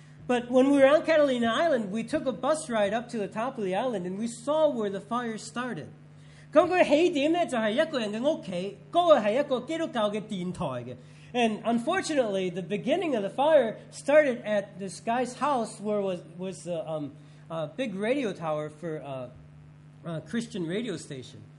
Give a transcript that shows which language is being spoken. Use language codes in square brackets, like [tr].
[en] But when we were on Catalina Island, we took a bus ride up to the top of the island and we saw where the fire started. [yue] 咁佢起點咧就係一個人嘅屋企，嗰個係一個基督教嘅電台嘅。 [en] And unfortunately, the beginning of the fire started at this guy's house where was the big radio tower for a Christian radio station.